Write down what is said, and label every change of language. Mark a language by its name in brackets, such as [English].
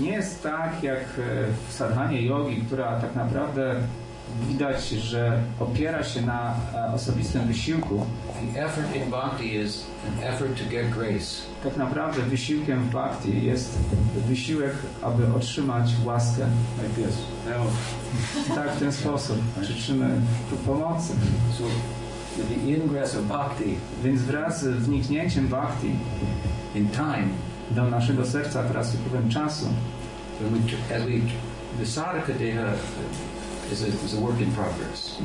[Polish] Nie jest tak jak w sadhanie jogi, która tak naprawdę widać, że opiera się na osobistym wysiłku. [English] The effort in bhakti is an effort to get grace. [Polish] Tak naprawdę wysiłkiem w bhakti jest wysiłek, aby otrzymać łaskę. [English] Like this. [Polish] No. Tak, w ten sposób. Życzymy tu pomocy. [English] So, the ingress of bhakti, [Polish] więc wraz z wniknięciem bhakti [English] in time, [Polish] do naszego serca wraz z upływem czasu, [English] the sadhaka deha is a work in progress.